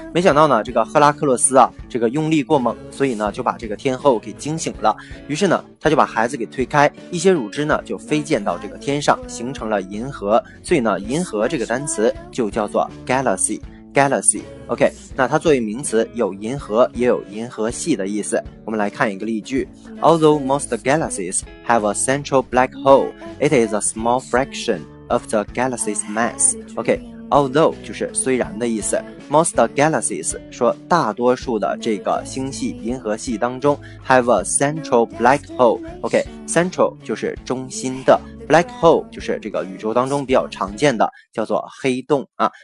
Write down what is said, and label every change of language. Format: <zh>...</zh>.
<zh>没想到呢这个赫拉克勒斯啊这个用力过猛，所以呢就把这个天后给惊醒了，于是呢他就把孩子给推开，一些乳汁呢就飞溅到这个天上，形成了银河。所以呢银河这个单词就叫做 Galaxy。OK， 那它作为名词有银河也有银河系的意思。我们来看一个例句。</zh> <en>Although most galaxies have a central black hole, it is a small fraction of the galaxy's mass.</en> <zh>OK,Although 就是虽然的意思，</zh> <en>Most galaxies</en> <zh>说大多数的这个星系银河系当中</zh> <en>have a central black hole。</en> <zh>OK， central 就是中心的， black hole 就是这个宇宙当中比较常见的叫做黑洞啊。</zh>